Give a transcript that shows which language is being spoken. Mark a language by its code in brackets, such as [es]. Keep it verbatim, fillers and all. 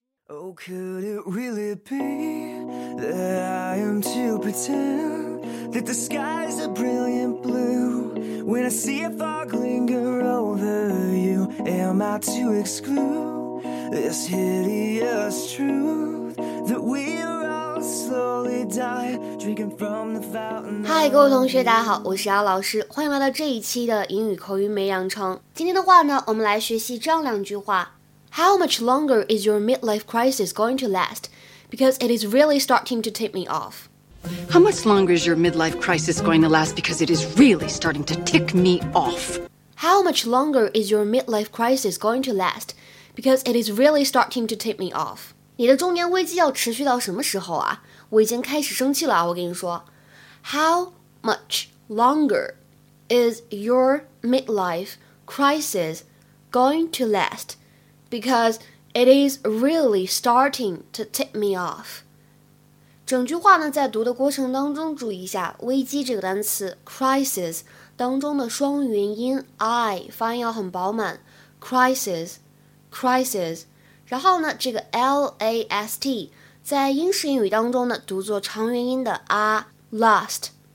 [en] Oh, could it really be that I am to pretend that the skies are brilliant blue? When I see a fog linger over you, am I to exclude this hideous truth that we are all slowly dying, drinking from the fountain? [zh] 嗨，各位同学，大家好，我是姚老师，欢迎来到这一期的英语口语每养成。今天的话呢，我们来学习这样两句话。 [en] How much longer is your midlife crisis going to last? Because it is really starting to tick me off. How much longer is your midlife crisis going to last? Because it is really starting to tick me off. How much longer is your midlife crisis going to last? Because it is really starting to tick me off. [zh] 你的中年危机要持续到什么时候啊？我已经开始生气了啊！ [en] 我跟你说，How much longer is your midlife crisis going to last? Because it is really starting to tick me off. [zh] 整句话呢，在读的过程当中注意一下危机这个单词 crisis 当中的双元音 I 发音要很饱满 crisis crisis 然后呢这个 last 在英式英语当中呢读作长元音的 a last